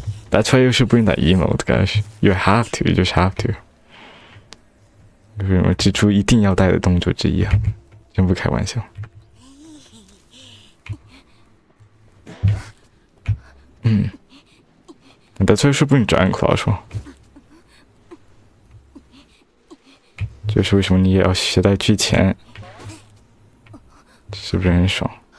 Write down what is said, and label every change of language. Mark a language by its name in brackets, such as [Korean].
[English] That's why you should bring that emote, guys. You have to, you just have to. [Chinese] 我蜘蛛一定要带的动作之一啊，真不开玩笑。 [English] That's why you should bring giant claws. [Chinese] 就是为什么你也要携带巨钳，是不是很爽？